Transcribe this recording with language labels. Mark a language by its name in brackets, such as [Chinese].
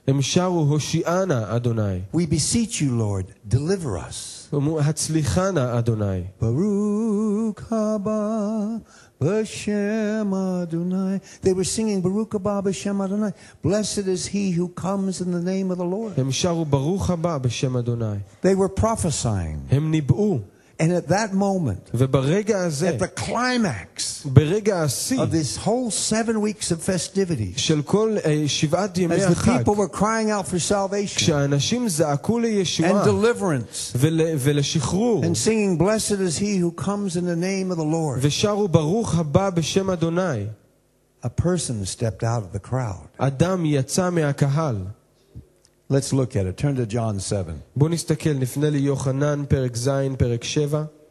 [Hebrew] הם שרו הושיענה אדוני. [English] We beseech you, Lord, deliver us. [Hebrew] הצליחנה אדוני. Baruch haba b'shem Adonai. [English] They were singing [Hebrew] Baruch haba b'shem Adonai. [English] Blessed is he who comes in the name of the Lord. [Hebrew] הם שרו ברוך הבא בשם אדוני. [English] They were prophesying. [Hebrew] הם ניבאו. [English] And at that moment, [Hebrew] וברגע הזה, [English] at the climax, [Hebrew] ברגע השיא, [English] of this whole 7 weeks of festivities, [Hebrew] של כל, שבעת ימי החג, [English] as the people were crying out for salvation, [Hebrew] כשאנשים זעקו לישועה, [English] and deliverance, [Hebrew] ולשחרור, [English] and singing, "Blessed is he who comes in the name of the Lord," [Hebrew] ושרו ברוך הבא בשם אדוני, [English] a person stepped out of the crowd. [Hebrew] אדם יצא מהקהל. [English] Let's look at it. Turn to John 7. [Hebrew] בוא נסתכל, נפנה ליוחנן, פרק ז', פרק 7.